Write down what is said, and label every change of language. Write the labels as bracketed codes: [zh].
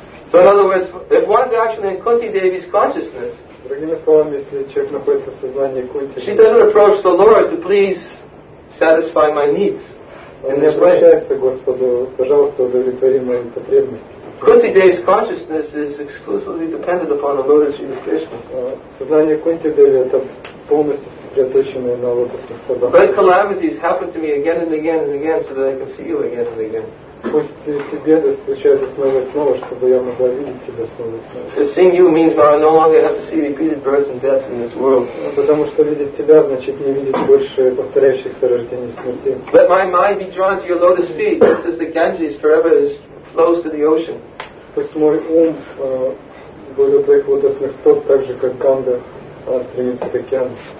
[en] So in other words, if one's actually in Kunti Devi's consciousness, [ru] другими словами, если человек находится в сознании Кунти, [en] she doesn't approach the Lord to please satisfy my needs. [ru] Он не обращается к Господу, пожалуйста, удовлетвори мои потребности. [en] Kunti Devi's consciousness is exclusively dependent upon the lotus feet of Krishna. [ru] Сознание Кунти Деви это полностью сосредоточено на лотосных стопах. [en] Great calamities happen to me again and again and again, so that I can see you again and again. [ru] Пусть эти беды случаются снова и снова, чтобы я могла видеть тебя снова и снова. [en] Seeing you means now I no longer have to see repeated births and deaths in this world. [ru] Потому что видеть тебя значит не видеть больше повторяющихся рождений и смерти. [en] Let my mind be drawn to your lotus feet, just as the Ganges forever is. Close to the ocean. [ru] Пусть мой ум более твоих лотосных стоп, так же как Ганга стремится к океану.